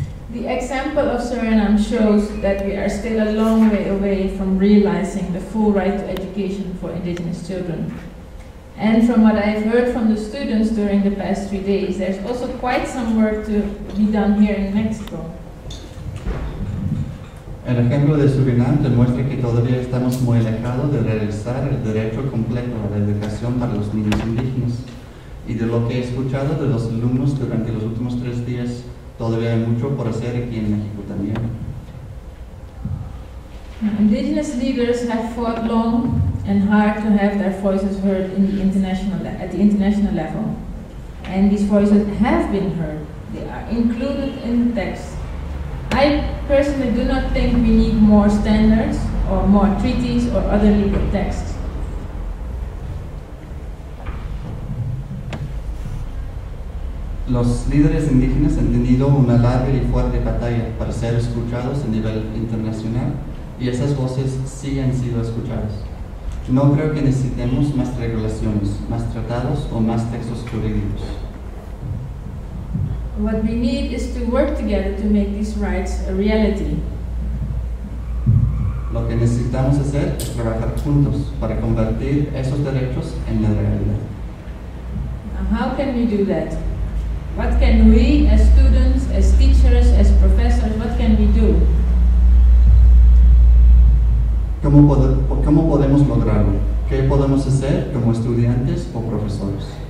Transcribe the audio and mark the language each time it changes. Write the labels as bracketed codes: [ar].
[en] The example of Suriname shows that we are still a long way away from realizing the full right to education for Indigenous children. And from what I've heard from the students during the past 3 days, there's also quite some work to be done here in Mexico. [es] El ejemplo de Suriname demuestra que todavía estamos muy alejados de realizar el derecho completo a la educación para los niños indígenas. Y de lo que he escuchado de los alumnos durante los últimos 3 días, todavía hay mucho por hacer aquí en México también. [en] Indigenous leaders have fought long and hard to have their voices heard in the international at the international level. And these voices have been heard. They are included in the text. I personally do not think we need more standards or more treaties or other legal texts. [es] Los líderes indígenas han tenido una larga y fuerte batalla para ser escuchados a nivel internacional y esas voces sí han sido escuchadas. No creo que necesitemos más regulaciones, más tratados o más textos jurídicos. [en] What we need is to work together to make these rights a reality. [es] Lo que necesitamos hacer es trabajar juntos para convertir esos derechos en la realidad. [en] How can we do that? What can we, as students, as teachers, as professors, what can we do? [es] ¿Cómo podemos lograrlo? ¿Qué podemos hacer como estudiantes o profesores?